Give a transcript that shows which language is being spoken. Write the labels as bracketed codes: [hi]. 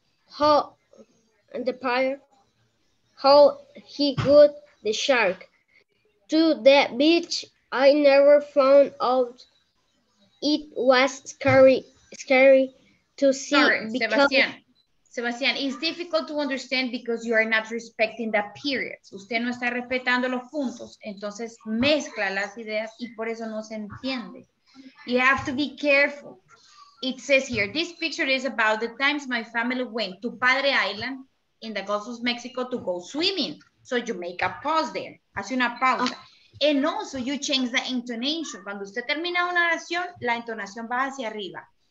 [en] How he got the shark to the beach, I never found out. It was scary to see. Sorry, Sebastián, it's difficult to understand because you are not respecting the periods. [es] Usted no está respetando los puntos, entonces mezcla las ideas y por eso no se entiende. [en] You have to be careful. It says here, this picture is about the times my family went to Padre Island in the Gulf of Mexico to go swimming. So you make a pause there. [es] Hace una pausa. [en] And also you change the intonation. [es] Cuando usted termina una oración, la entonación va hacia arriba.